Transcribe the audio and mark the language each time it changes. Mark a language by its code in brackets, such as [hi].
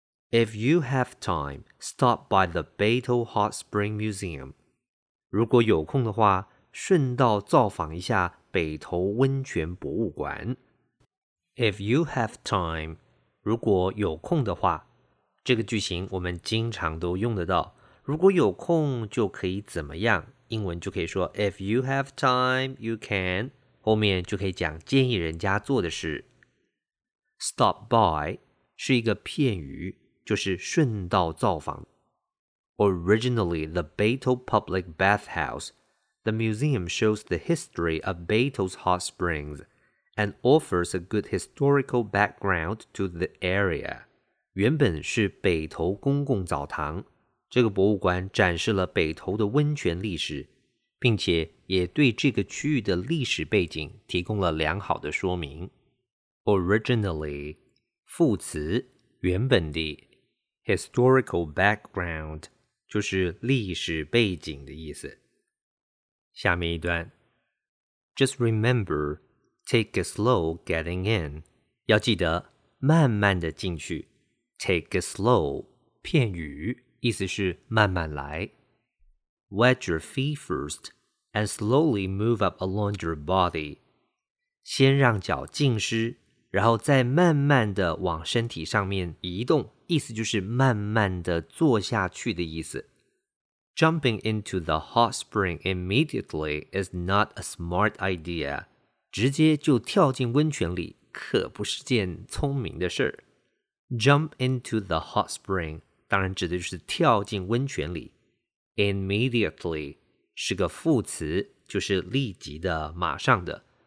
[en] If you have time, stop by the Beitou Hot Spring Museum. [zh] 如果有空的话，顺道造访一下北投温泉博物馆。 [en] If you have time, [zh] 如果有空的话，这个句型我们经常都用得到。如果有空就可以怎么样？英文就可以说 [en] If you have time, you can. [zh] 后面就可以讲建议人家做的事。 [en] Stop by [zh] 是一个片语，就是顺道造访。 [en] Originally, the Beitou Public Bathhouse, the museum shows the history of Beitou's hot springs and offers a good historical background to the area. [zh] 原本是北投公共澡堂，这个博物馆展示了北投的温泉历史，并且也对这个区域的历史背景提供了良好的说明。 [en] Originally, [zh] 副词，原本的 [en] ,historical background, [zh] 就是历史背景的意思。下面一段 [en] ,Just remember, take it slow getting in, [zh] 要记得慢慢的进去 [en] ,take it slow, [zh] 片语意思是慢慢来 [en] ,wet your feet first, and slowly move up along your body, [zh] 先让脚浸湿然后再慢慢地往身体上面移动，意思就是慢慢地坐下去的意思。 [en] Jumping into the hot spring immediately is not a smart idea. [zh] 直接就跳进温泉里可不是件聪明的事。 [en] Jump into the hot spring [zh] 当然指的就是跳进温泉里。 [en] Immediately [zh] 是个副词，就是立即的、马上的。